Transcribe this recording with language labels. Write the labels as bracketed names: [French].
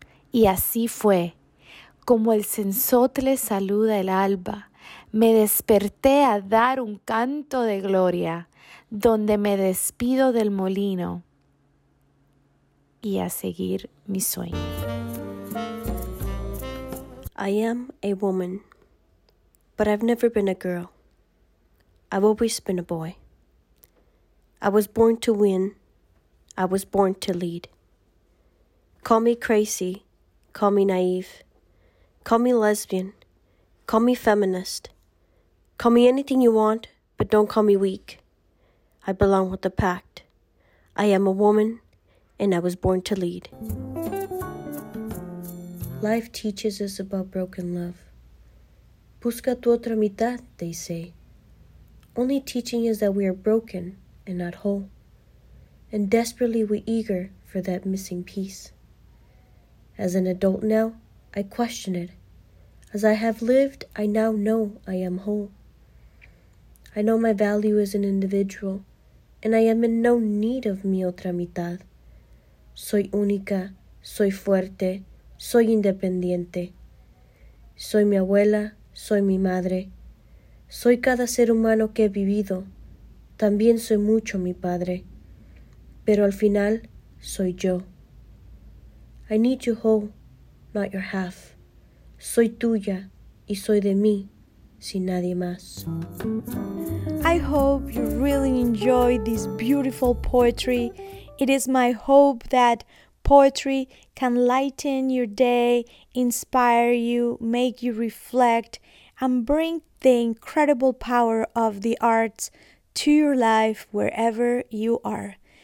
[Spanish] Y así fue. Como el cenzotle saluda el alba, me desperté a dar un canto de gloria, donde me despido del molino y a seguir mi sueño. [English] I am a woman, but I've never been a girl. I've always been a boy. I was born to win. I was born to lead. Call me crazy. Call me naive. Call me lesbian. Call me feminist. Call me anything you want, but don't call me weak. I belong with the pack. I am a woman, and I was born to lead. Life teaches us about broken love. [Spanish] Busca tu otra mitad, [English] they say. Only teaching is that we are broken and not whole. And desperately we eager for that missing piece. As an adult now, I question it. As I have lived, I now know I am whole. I know my value as an individual, and I am in no need of [Spanish] mi otra mitad. Soy única, soy fuerte, soy independiente. Soy mi abuela, soy mi madre. Soy cada ser humano que he vivido. También soy mucho mi padre. Pero al final, soy yo. [English] I need you whole, not your half. [Spanish] Soy tuya y soy de mí, sin nadie más. [English] I hope you really enjoyed this beautiful poetry. It is my hope that poetry can lighten your day, inspire you, make you reflect, and bring the incredible power of the arts to your life wherever you are.